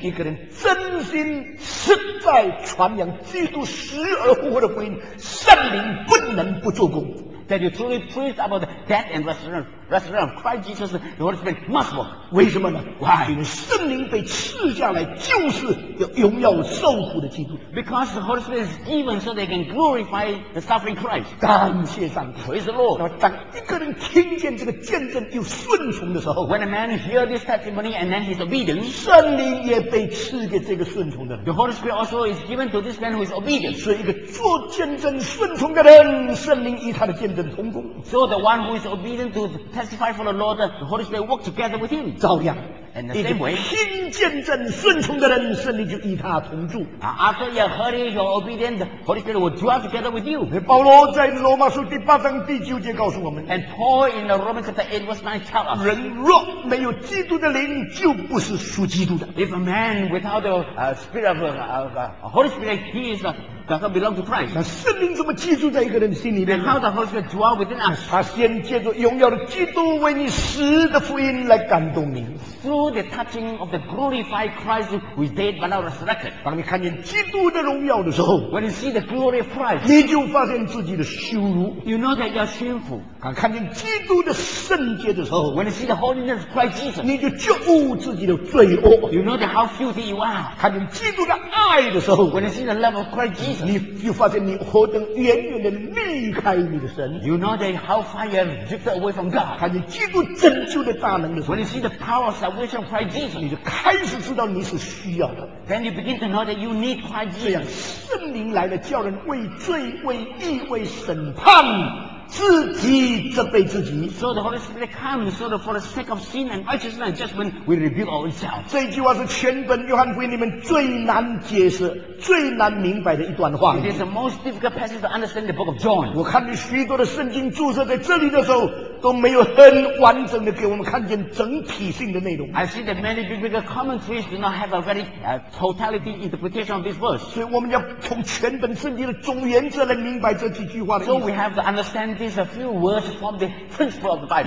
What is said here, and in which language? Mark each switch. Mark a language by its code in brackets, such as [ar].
[zh] 一个人真心实在传扬基督死而复活的福音圣灵不能不做工 [en] that you truly preach about the death and resurrection of Christ Jesus the Holy Spirit must work [zh] 为什么呢 [en] why [zh] 因为圣灵被赐下来就是要荣耀受苦的基督 [en] because the Holy Spirit is given so they can glorify the suffering Christ [zh] 感谢上帝 [en] praise the Lord [zh] 那么当一个人听见这个见证又顺从的时候 [en] when a man hears this testimony and then he's obedient [zh] 圣灵也被赐给这个顺从的人 [en] the Holy Spirit also is given to this man who is obedient [zh] 所以一个做见证顺从的人圣灵与他的见证同工 [en] so the one who is obedient to testify for the Lord the Holy Spirit work together with him [zh] 照样 [en] And the same way, [zh] 听见证顺从的人圣灵就与他同住 [en] After you heard it, you're obedient the Holy Spirit will dwell together with you [zh] 保罗在罗马书第八章第九节告诉我们 [en] And Paul in the Romans chapter 8 verse 9 tell us [zh] 人若没有基督的灵就不是属基督的 [en] If a man without the spirit of Holy Spirit he is does not belong to Christ [zh] 那圣灵怎么居住在一个人心里面 [en] How the Holy Spirit dwell within us [zh] 他先借着荣耀的基督为你死的福音来感动你 [en] Through the touching of the glorified Christ who is dead but now resurrected. [zh] 当你看见基督的荣耀的时候 [en] When you see the glory of Christ, [zh] 你就发现自己的羞辱 [en] You know that you're shameful. [zh] 当看见基督的圣洁的时候 [en] When you see the holiness of Christ Jesus, [zh] 你就觉悟自己的罪恶 [en] You know that how filthy you are. [zh] 看见基督的爱的时候 [en] When you see the love of Christ Jesus, [zh] 你就发现你何等远远的离开你的神 [en] You know that how far you have drifted away from God. [zh] 看见基督拯救的大能的时候 [en] When you see the power of salvation,像 Christ Jesus [zh] 你就开始知道你是需要的 [en] Then you begin to know that you need Christ Jesus [zh] 这样圣灵来了叫人为罪为义为审判自己责备自己 [en] So the Holy Spirit comes so that for the sake of sin and righteousness and judgment we rebuke ourselves [zh] 这句话是全本约翰福音里面最难解释最难明白的一段话 [en] It is the most difficult passage to understand the book of John [zh] 我看你许多的圣经注册在这里的时候都没有很完整的给我们看见整体性的内容 [en] I see that many biblical commentaries do not have a very totality interpretation of this verse [zh] 所以我们要从全本圣经的总原则来明白这几句话的意思 [en] So we have to understand these a few words from the principle of the Bible